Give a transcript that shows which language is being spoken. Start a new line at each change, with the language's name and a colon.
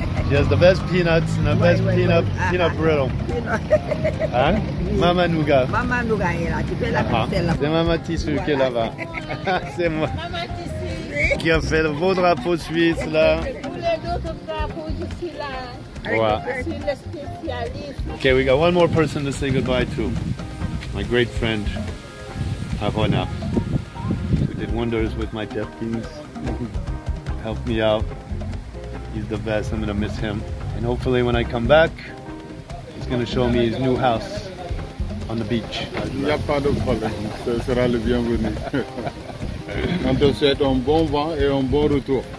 English: She has the best peanuts and the best peanut brittle.
French: Hein? Oui. Mama Nougat. Mama Nougat est là, tu fais la pastelle là-bas. C'est Mama Tissu qui est là-bas. C'est moi. Mama Tissu. Qui a fait le beau drapeau suisse là. Tous les autres drapeaux ici là. Ouais. Je suis le spécialiste.
English: Okay, we got one more person to say goodbye to. My great friend, Arona, who did wonders with my deaf beans, helped me out. He's the best, I'm gonna miss him. And hopefully when I come back, he's gonna show me his new house on the beach.
French: Il n'y a pas de problème, ce sera le bienvenu. On te souhaite un bon vent et un bon retour.